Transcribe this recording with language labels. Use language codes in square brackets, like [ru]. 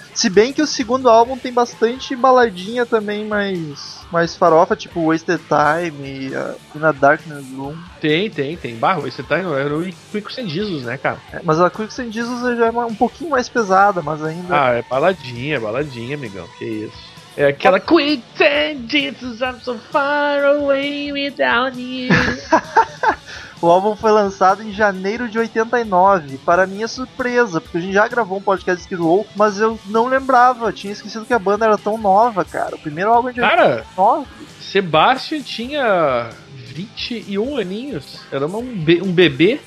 [pt] Se bem que o segundo álbum tem bastante baladinha também, mais farofa, tipo Wasted Time e In a Darkness Room. Tem. Bah, Wasted Time era o Quicksand Jesus, né, cara? É, mas a Quicksand Jesus já é um pouquinho mais pesada, mas ainda... Ah, é baladinha, amigão, que isso. É aquela [en] Quicksand Jesus, I'm so far away without you. [pt] O álbum foi lançado em janeiro de 89, para minha surpresa, porque a gente já gravou um podcast Skid Row, mas eu não lembrava, tinha esquecido que a banda era tão nova, cara. O primeiro álbum de 89. Cara, Sebastian tinha 21 aninhos, era um bebê.